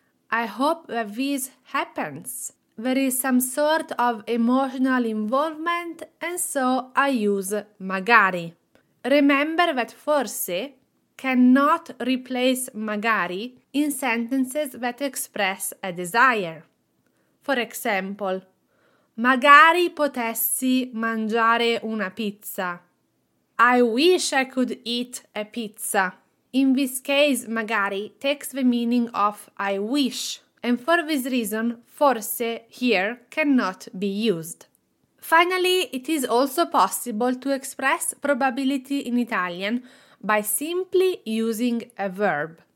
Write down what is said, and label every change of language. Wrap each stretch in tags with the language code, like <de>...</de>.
<en>I hope that this happens. There is some sort of emotional involvement and so I use magari. Remember that forse cannot replace magari in sentences that express a desire. For example,</en> <it>magari potessi mangiare una pizza.</it> <en>I wish I could eat a pizza. In this case, magari takes the meaning of I wish, and for this reason, forse here cannot be used. Finally, it is also possible to express probability in Italian by simply using a verb.</en>